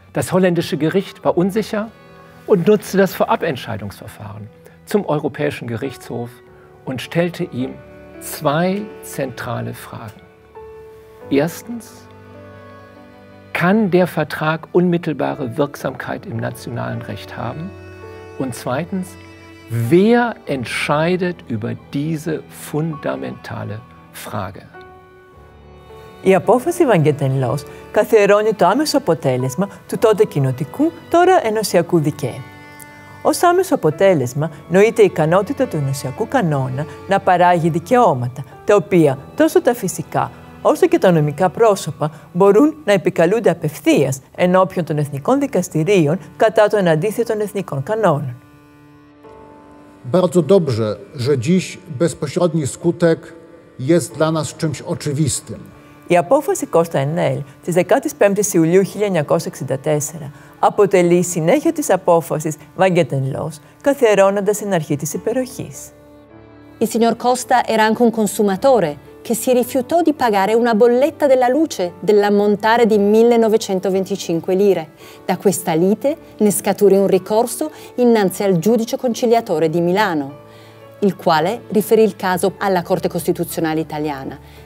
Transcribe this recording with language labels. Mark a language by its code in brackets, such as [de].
[de] Das holländische Gericht war unsicher und nutzte das Vorabentscheidungsverfahren zum Europäischen Gerichtshof und stellte ihm zwei zentrale Fragen. Erstens, kann der Vertrag unmittelbare Wirksamkeit im nationalen Recht haben? Und zweitens, wer entscheidet über diese fundamentale Frage? [el] Η απόφαση Van Genten Loos καθιερώνει το άμεσο αποτέλεσμα του τότε κοινοτικού, τώρα ενωσιακού δικαίου. Ως άμεσο αποτέλεσμα νοείται η ικανότητα του ενωσιακού κανόνα να παράγει δικαιώματα, τα οποία τόσο τα φυσικά όσο και τα νομικά πρόσωπα μπορούν να επικαλούνται απευθείας ενώπιον των εθνικών δικαστηρίων κατά των αντίθετων εθνικών κανόνων. [pl] Bardzo dobrze, że dziś bezpośredni skutek jest dla nas czymś oczywistym. [el] Η απόφαση Κώστα Ενέλ της 15ης Ιουλίου 1964 αποτελεί συνέχεια της απόφασης Van Genten Loos, καθιερώνοντας την αρχή της υπεροχής. [it] Η signor Κώστα era anche un consumatore che si rifiutò di pagare una bolletta della luce dell'ammontare di 1925 lire. Da questa lite ne scaturì un ricorso innanzi al giudice conciliatore di Milano, il quale riferì il caso alla Corte Costituzionale italiana.